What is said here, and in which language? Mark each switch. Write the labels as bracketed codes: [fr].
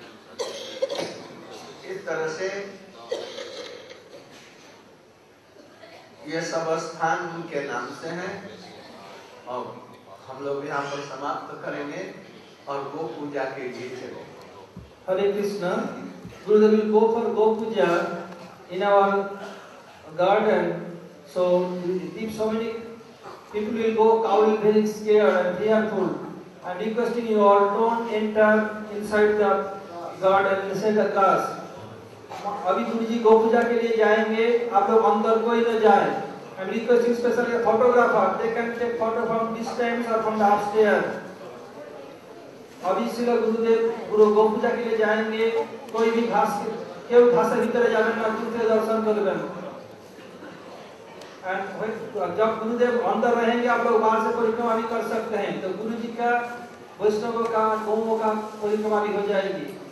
[hi] इस तरह से ये सब स्थान उनके नाम से हैं और हम लोग यहाँ पर समाप्त करेंगे और गो पूजा के लिए चलेंगे। हरे कृष्ण गुरुदेव गो पर गो पूजा in our garden, [en] so if so many people will go, cow will be scared and fearful. I'm requesting you all don't enter inside the garden, inside the class. [hi] अभी गुरुजी गो पूजा के लिए जाएंगे, आप लोग अंदर कोई न जाए। [en] I'm requesting specially photographer, they can take photo from distance or from the upstairs. [hi] अभी इसलिए गुरुदेव गुरु गो पूजा के लिए जाएंगे, कोई भी घास के घास के भीतर जाने में दूसरे दर्शन कर लें। जब गुरुदेव अंदर रहेंगे आप लोग बाहर से परिक्रमा भी कर सकते हैं, तो गुरु जी का वैष्णवों का गौओं का परिक्रमा भी हो जाएगी।